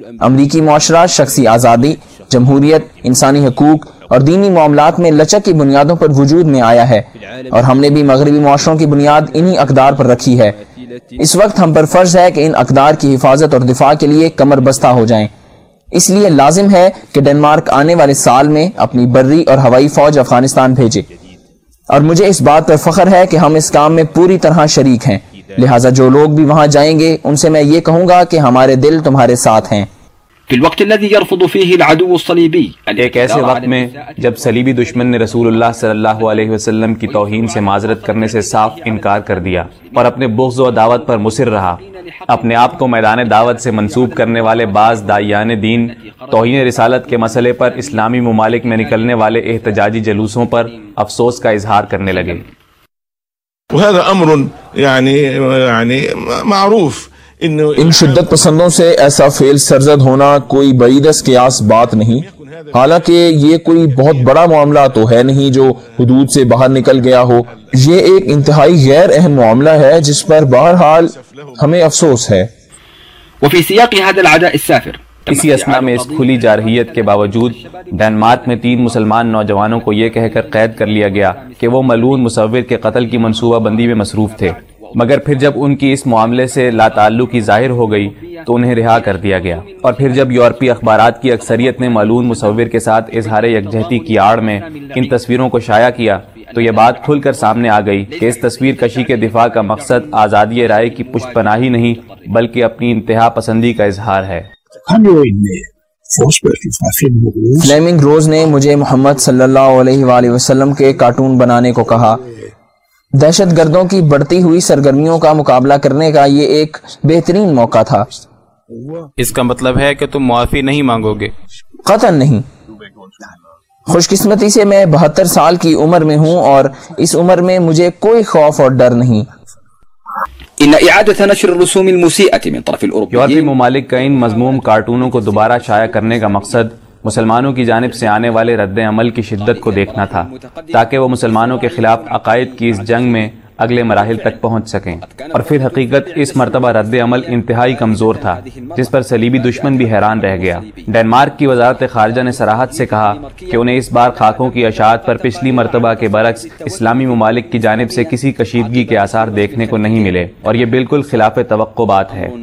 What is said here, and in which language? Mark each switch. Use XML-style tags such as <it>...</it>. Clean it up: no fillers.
<ur>امریکی معاشرہ شخصی آزادی، جمہوریت، انسانی حقوق اور دینی معاملات میں لچک کی بنیادوں پر وجود میں آیا ہے، اور ہم نے بھی مغربی معاشروں کی بنیاد انہی اقدار پر رکھی ہے۔ اس وقت ہم پر فرض ہے کہ ان اقدار کی حفاظت اور دفاع کے لیے کمر بستہ ہو جائیں۔ اس لیے لازم ہے کہ ڈنمارک آنے والے سال میں اپنی بری اور ہوائی فوج افغانستان بھیجے، اور مجھے اس بات پر فخر ہے کہ ہم اس کام میں پوری طرح شریک ہیں۔ لہٰذا جو لوگ بھی وہاں جائیں گے ان سے میں یہ کہوں گا کہ ہمارے دل تمہارے ساتھ ہیں۔</ur> <ar>فی الوقت الذي يرفض فيه العدو الصليبي،</ar> <ur>ایک ایسے وقت میں جب صلیبی دشمن نے رسول اللہ صلی اللہ علیہ وسلم کی توہین سے معذرت کرنے سے صاف انکار کر دیا اور اپنے بغض و عداوت پر مصر رہا، اپنے آپ کو میدان دعوت سے منسوب کرنے والے بعض داعیان دین توہین رسالت کے مسئلے پر اسلامی ممالک میں نکلنے والے احتجاجی جلوسوں پر افسوس کا اظہار کرنے لگے۔</ur> <ar>وهذا امر يعني معروف،</ar> <ur>ان شدت پسندوں سے ایسا فعل سرزد ہونا کوئی بعید اس قیاس بات نہیں، حالانکہ یہ کوئی بہت بڑا معاملہ تو ہے نہیں جو حدود سے باہر نکل گیا ہو۔ یہ ایک انتہائی غیر اہم معاملہ ہے جس پر بہرحال ہمیں افسوس ہے۔</ur> <ar>وفی سیاق هذا العداء السافر،</ar> <ur>اسی اسنا میں اس کھلی جارحیت کے باوجود ڈنمارک میں تین مسلمان نوجوانوں کو یہ کہہ کر قید کر لیا گیا کہ وہ ملعون مصور کے قتل کی منصوبہ بندی میں مصروف تھے، مگر پھر جب ان کی اس معاملے سے لا تعلقی ظاہر ہو گئی تو انہیں رہا کر دیا گیا، اور پھر جب یورپی اخبارات کی اکثریت نے ملعون مصور کے ساتھ اظہار یکجہتی کی آڑ میں ان تصویروں کو شائع کیا تو یہ بات کھل کر سامنے آ گئی کہ اس تصویر کشی کے دفاع کا مقصد آزادی رائے کی پشت پناہی نہیں بلکہ اپنی انتہا پسندی کا اظہار ہے۔ فلیمنگ روز نے مجھے محمد صلی اللہ علیہ وآلہ وسلم کے کارٹون بنانے کو کہا۔ دہشت گردوں کی بڑھتی ہوئی سرگرمیوں کا مقابلہ کرنے کا یہ ایک بہترین موقع تھا۔ اس کا مطلب ہے کہ تم معافی نہیں مانگو گے؟ قطعا نہیں۔ خوش قسمتی سے میں 72 سال کی عمر میں ہوں اور اس عمر میں مجھے کوئی خوف اور ڈر نہیں۔</ur> <ar>ان اعادہ نشر الرسوم المسیئه من طرف الاوروبيين،</ar> <ur>یورپی ممالک کا ان مضموم کارٹونوں کو دوبارہ شائع کرنے کا مقصد مسلمانوں کی جانب سے آنے والے رد عمل کی شدت کو دیکھنا تھا، تاکہ وہ مسلمانوں کے خلاف عقائد کی اس جنگ میں اگلے مراحل تک پہنچ سکیں، اور پھر حقیقت اس مرتبہ رد عمل انتہائی کمزور تھا جس پر صلیبی دشمن بھی حیران رہ گیا۔ ڈنمارک کی وزارت خارجہ نے صراحت سے کہا کہ انہیں اس بار خاکوں کی اشاعت پر پچھلی مرتبہ کے برعکس اسلامی ممالک کی جانب سے کسی کشیدگی کے آثار دیکھنے کو نہیں ملے، اور یہ بالکل خلاف توقعات ہے۔</ur>